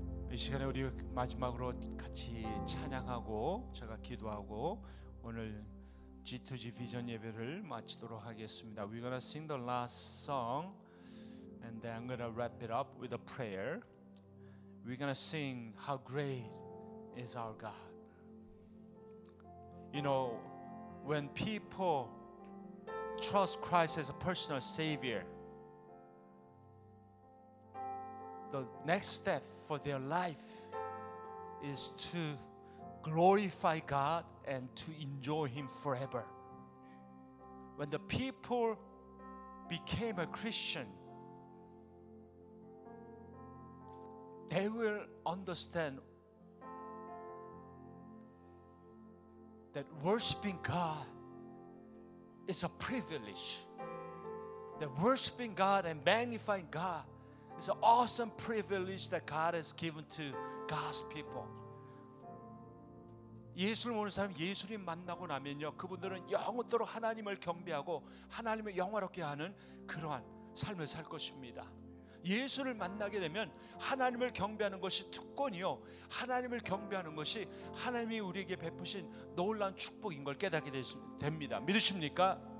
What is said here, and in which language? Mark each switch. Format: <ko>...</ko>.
<ko>이 시간에 우리 마지막으로 같이 찬양하고 제가 기도하고 오늘 G2G 비전 예배를 마치도록 하겠습니다.</ko> <en>We're gonna sing the last song and then I'm gonna wrap it up with a prayer. We're gonna sing How Great is Our God. You know, when people trust Christ as a personal savior, the next step for their life is to glorify God and to enjoy Him forever. When the people became a Christian, they will understand that worshiping God is a privilege. that worshiping God and magnifying God is an awesome privilege that God has given to God's people.</en> <ko>예수를 모르는 사람, 예수님 만나고 나면요, 그분들은 영원토록 하나님을 경배하고 하나님을 영화롭게 하는 그러한 삶을 살 것입니다. 예수를 만나게 되면 하나님을 경배하는 것이 특권이요, 하나님을 경배하는 것이 하나님이 우리에게 베푸신 놀라운 축복인 걸 깨닫게 됩니다. 믿으십니까?</ko>